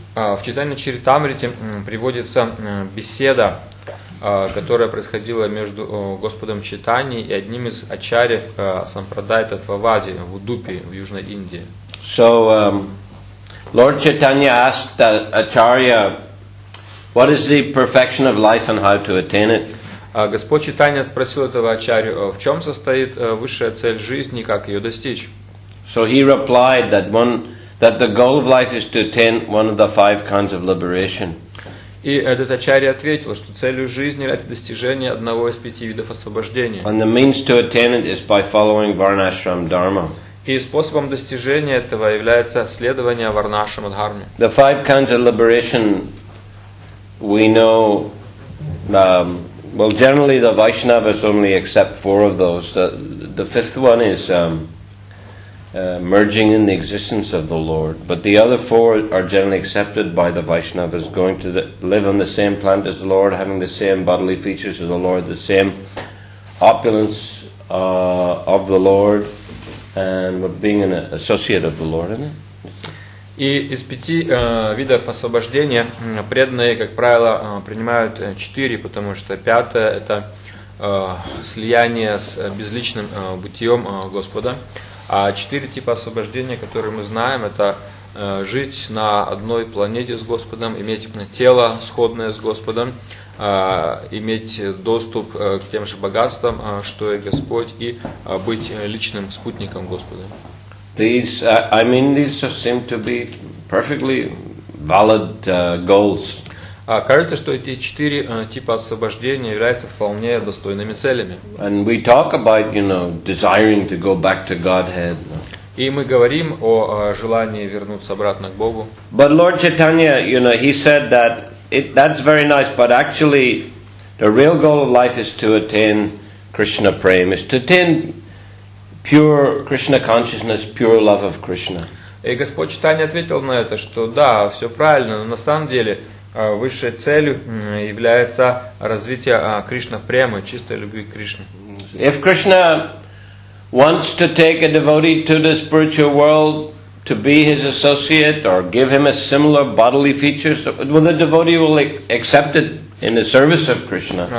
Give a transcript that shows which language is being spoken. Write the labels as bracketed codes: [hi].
[ru] В Чайтанья Чаритамрите приводится беседа, которая происходила между Господом Чайтаньей и одним из ачарьев Сампрадая Таттвавади в Удупи, в Южной Индии. [en] So, Lord Chaitanya asked the Acharya, what is the perfection of life and how to attain it? [ru] Господь Чайтанья спросил этого ачарью, в чем состоит высшая цель жизни и как ее достичь? [en] So he replied that one, that the goal of life is to attain one of the five kinds of liberation. [ru] И этот ачарья ответил, что целью жизни является достижение одного из пяти видов освобождения. [en] And the means to attain it is by following Varnashram Dharma. [ru] И способом достижения этого является следование Варнашрама Дхарме. [en] The five kinds of liberation we know. Well, generally the Vaishnavas only accept four of those. The fifth one is merging in the existence of the Lord. But the other four are generally accepted by the Vaishnavas, going to live on the same planet as the Lord, having the same bodily features as the Lord, the same opulence of the Lord, and being an associate of the Lord. Isn't it? [ru] И из пяти видов освобождения преданные, как правило, принимают четыре, потому что пятое – это слияние с безличным бытием Господа. А четыре типа освобождения, которые мы знаем, это жить на одной планете с Господом, иметь тело, сходное с Господом, иметь доступ к тем же богатствам, что и Господь, и быть личным спутником Господа. [en] These, I mean, these seem to be perfectly valid goals. [ru] Кажется, что эти четыре типа освобождения являются вполне достойными целями. [en] And we talk about, you know, desiring to go back to Godhead. [ru] И мы говорим о желании вернуться обратно к Богу. [en] But Lord Chaitanya, you know, he said that that's very nice, but actually, the real goal of life is to attain Krishna prema, is to attain pure Krishna consciousness, pure love of Krishna. [ru] И Господь Читания ответил на это, что да, все правильно, но на самом деле высшей целью является развитие Кришна премы, чистой любви к Кришне. [en] If Krishna wants to take a devotee to the spiritual world to be his associate or give him a similar bodily features, well, the devotee will accept it in the service of Krishna.